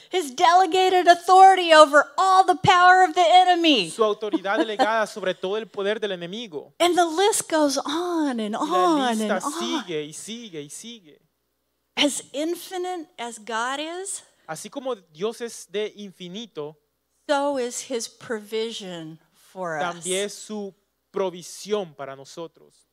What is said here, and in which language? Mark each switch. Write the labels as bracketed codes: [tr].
[en] His delegated authority over all the power of the enemy. [es] Su autoridad delegada sobre todo el poder del enemigo. [en] And the list goes on and on and on. [es] La lista sigue y sigue y sigue. [en] As infinite as God is. [es] Así como Dios es de infinito. [en] So is his provision for us. [es] También su provisión para nosotros.